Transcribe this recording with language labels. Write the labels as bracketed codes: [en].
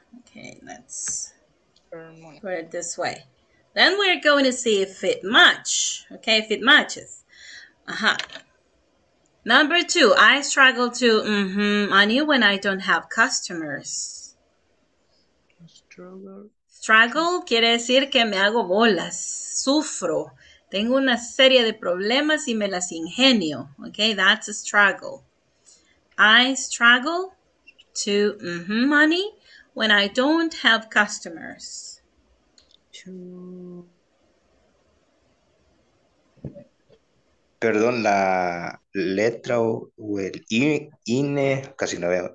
[en] Okay, let's put it this way. Then we're going to see if it matches. Okay, if it matches. Uh-huh. Number two, I struggle to money when I don't have customers. [es] Struggle quiere decir que me hago bolas, sufro. Tengo una serie de problemas y me las ingenio. [en] Okay, that's a struggle. I struggle to money when I don't have customers. [es] Perdón, la letra o el INE, casi no veo.